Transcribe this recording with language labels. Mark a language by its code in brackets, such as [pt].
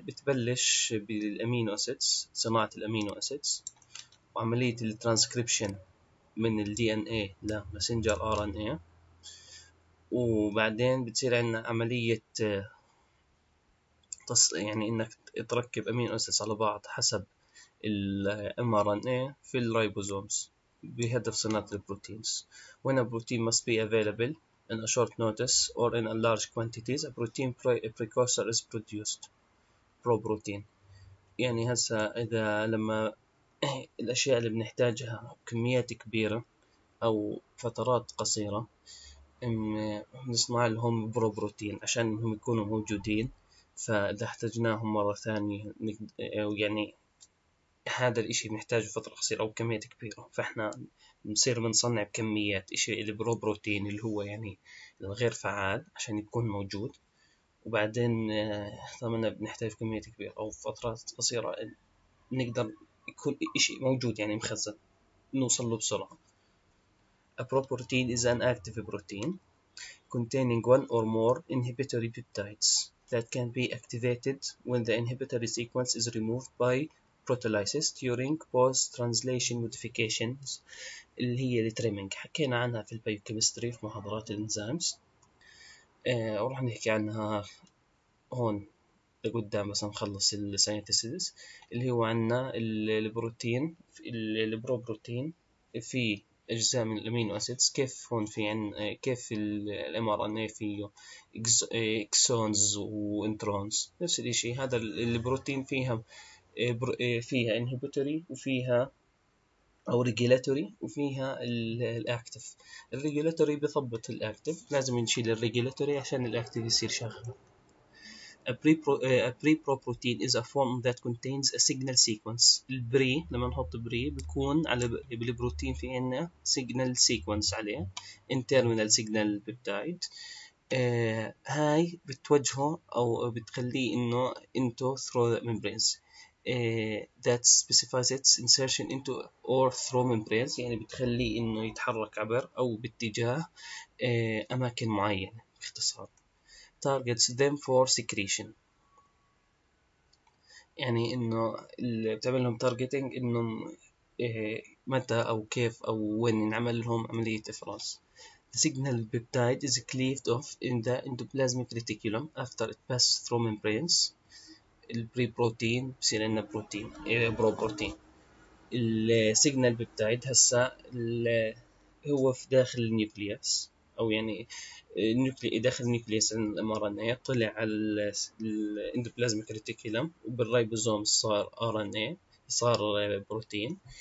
[ar] بتبلش بالأمينو أسيدز، صناعة الأمينو أسيدز، وعملية الترانسكريبشن من الـ DNA لـ مسنجر RNA، وبعدين بتصير عندنا عملية يعني إنك تركب أمينو أسيدز على بعض حسب الـ mRNA في الريبوزومز بهدف صناعة البروتينز. [en] When a protein must be available in a short notice or in a large quantities, a protein precursor is produced. Pro protein. [ar] يعني هسا إذا لما الأشياء اللي بنحتاجها كميات كبيرة أو فترات قصيرة، نصنع لهم برو بروتين عشان هم يكونوا موجودين. فإذا احتاجناهم مرة ثانية، يعني هذا الإشي بنحتاجه فترة قصيرة أو كميات كبيرة، فإحنا بنصير بنصنع بكميات إشي اللي برو بروتين اللي هو يعني الغير فعال عشان يكون موجود. وبعدين طبعا بنحتاج كميات كبيرة أو فترات قصيرة نقدر يكون إشي موجود يعني مخزن نوصل له بسرعة. [en] A pro protein is an active protein containing one or more inhibitory peptides that can be activated when the inhibitory sequence is removed by proteolysis during post-translation modifications [ar] اللي هي التريمينج. حكينا عنها في البيوكيمستري في محاضرات الانزيمز، وراح نحكي عنها هون لقدام بس نخلص السينثيسيس. اللي هو عنا البروتين، البرو بروتين في اجزاء من الامينو اسيدز، كيف هون في عن كيف الام ار ان اي فيه اكسونز وانترونز نفس الشيء. هذا البروتين فيها فيها انهبيتوري وفيها او ريجيلاتوري وفيها الاكتف. الريجيلاتوري بيضبط الاكتف، لازم نشيل الريجيلاتوري عشان الاكتف يصير شغال. [en] A pre-pro protein is a form that contains a signal sequence. [ar] البري لما نحط بري بيكون على البروتين في عنا signal sequence عليه، [en] internal signal peptide. [ar] هاي بتوجهه او بتخليه انه [en] into through the membranes. That specifies its insertion into or through membranes، [ar] يعني بتخلي إنه يتحرك عبر أو باتجاه أماكن معينة باختصار. [en] Targets them for secretion، [ar] يعني إنه اللي بتعمل لهم targeting إنه متى أو كيف أو وين نعمل لهم عملية إفراز. [en] The signal peptide is cleaved off in the endoplasmic reticulum after it passes through membranes. [ar] البري بروتين بصير عندنا بروتين برو بروتين. السيجنال بيبتايد هسا هو في داخل النيوكليوس، او يعني داخل النيوكليوس الام ار ان اي، طلع على الاندوبلازميك ريتيكولم وبالريبوزوم صار ار ان اي، صار بروتين.